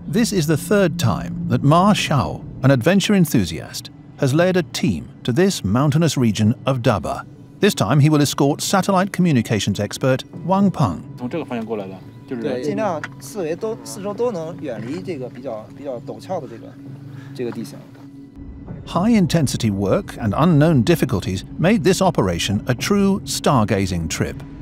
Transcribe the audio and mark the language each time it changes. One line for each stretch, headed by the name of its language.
English: This is the third time that Ma Xiao, an adventure enthusiast, has led a team to this mountainous region of Daba. This time, he will escort satellite communications expert Wang Peng.
Chinese: 从这个方向过来的，就是对，尽量四围都四周都能远离这个比较陡峭的这个地形。
English: High intensity work and unknown difficulties made this operation a true stargazing trip.